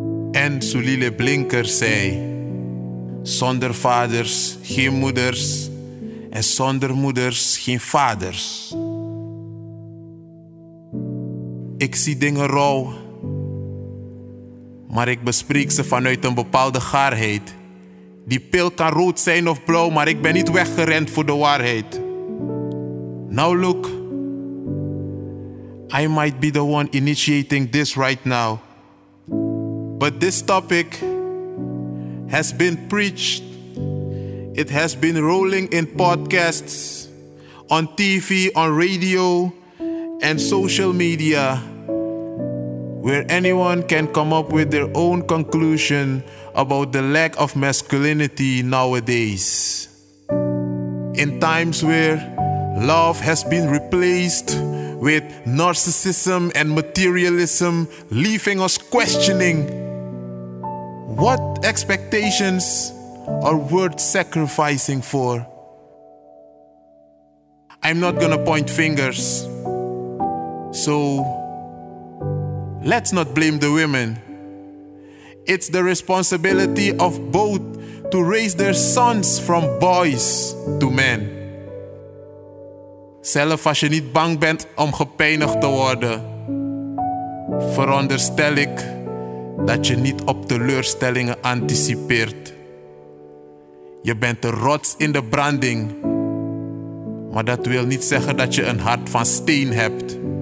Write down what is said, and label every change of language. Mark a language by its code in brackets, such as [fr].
[nl] En Sulile Blinker zei: zonder vaders geen moeders en zonder moeders geen vaders. Ik zie dingen rauw, maar ik bespreek ze vanuit een bepaalde gaarheid. Die pil kan rood zijn of blauw, maar ik ben niet weggerend voor de waarheid. [en] Now look, I might be the one initiating this right now. But this topic has been preached. It has been rolling in podcasts, on TV, on radio, and social media, where anyone can come up with their own conclusion about the lack of masculinity nowadays. In times where love has been replaced with narcissism and materialism, leaving us questioning what expectations are worth sacrificing for. I'm not gonna point fingers. So, let's not blame the women. It's the responsibility of both to raise their sons from boys to men. [nl] Zelf als je niet bang bent om gepijnigd te worden, veronderstel ik dat je niet op teleurstellingen anticipeert. Je bent de rots in de branding, maar dat wil niet zeggen dat je een hart van steen hebt.